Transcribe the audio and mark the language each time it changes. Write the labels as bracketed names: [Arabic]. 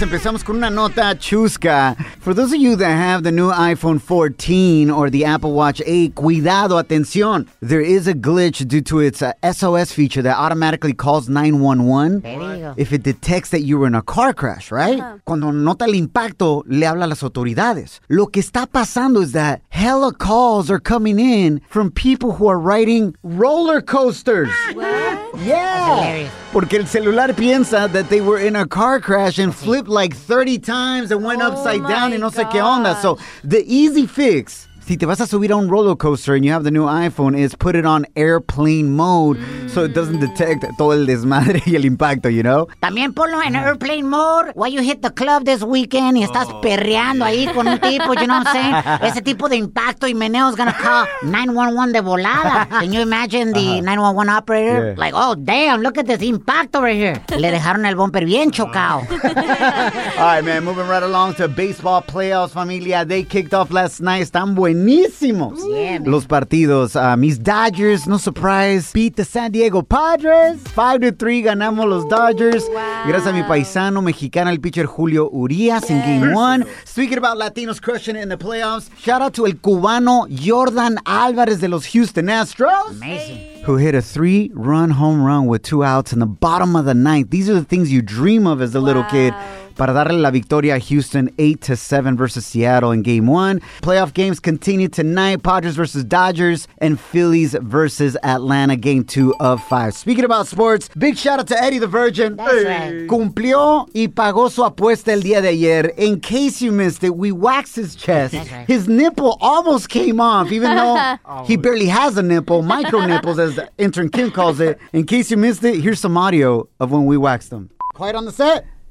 [Spanish] Empezamos con una nota chusca. [English] For those of you that have the new iPhone 14 or the Apple Watch 8, [Spanish] cuidado, atención. [English] There is a glitch due to its SOS feature that automatically calls 911 if it detects that you were in a car crash, right? Uh-huh. [Spanish] Cuando nota el impacto, le habla a las autoridades. Lo que está pasando [English] is that hella calls are coming in from people who are riding roller coasters. What? Yeah. That's hilarious. [Spanish] Porque el celular piensa [English] that they were in a car crash and flipped like 30 times and went upside down and [Spanish] no sé qué onda. [English] So the easy fix, [Spanish] si te vas a subir a un [English] roller coaster and you have the new iPhone, is put it on airplane mode so it doesn't detect [Spanish] todo el desmadre y el impacto, [English] you know? [Spanish] También ponlo en [English] airplane mode while you hit the club this weekend [Spanish] y estás perreando ahí con un tipo, [English] you know what I'm saying? [Spanish] Ese tipo de impacto y meneo [English] is gonna call 911 [Spanish] de volada. [English] Can you imagine the 911 operator? Yeah. Like, oh, damn, look at this impacto right here. [Spanish] Le dejaron el bumper bien chocado. [English] All right, man, moving right along to baseball playoffs, familia. They kicked off last night. [Spanish] Están buenísimos. [English] Yeah, [Spanish] los partidos. Mis [English] Dodgers, no surprise, beat the San Diego Padres. [Spanish] 5-3, ganamos los Dodgers. [English] Wow. [Spanish] Gracias a mi paisano mexicano, el pitcher Julio Urias, [English] yes, in game one. Speaking about Latinos crushing it in the playoffs, shout out to [Spanish] el cubano [English] Jordan Alvarez de los Houston Astros. Amazing. Who hit a 3-run home run with 2 outs in the bottom of the ninth. These are the things you dream of as a little kid. [Spanish] Para darle la victoria a Houston, [English] 8-7 versus Seattle in game one. Playoff games continue tonight. Padres versus Dodgers and Phillies versus Atlanta, game 2 of 5. Speaking about sports, big shout out to Eddie the Virgin. That's right. [Spanish] Cumplió y pagó su apuesta el día de ayer. [English] In case you missed it, we waxed his chest. That's right. His nipple almost came off, even though he barely has a nipple. Micro nipples, as intern Kim calls it. In case you missed it, here's some audio of when we waxed him. Quiet on the set.